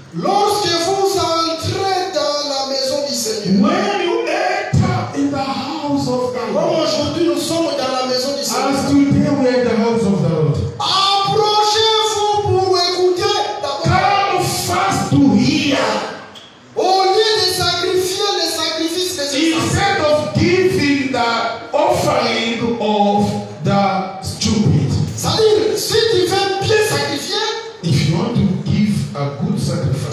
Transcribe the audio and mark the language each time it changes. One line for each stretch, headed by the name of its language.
French: Lorsque vous entrez dans la maison du Seigneur.
English: When you enter in the house of God.
French: Comme aujourd'hui nous sommes dans la maison du Seigneur.
English: As today we are in the house of the Lord.
French: Approchez-vous pour écouter.
English: Come fast to hear.
French: Au lieu de sacrifier les sacrifices.
English: Instead of giving the offering of the stupid.
French: C'est-à-dire, si tu veux bien sacrifier.
English: If you want to give a good sacrifice.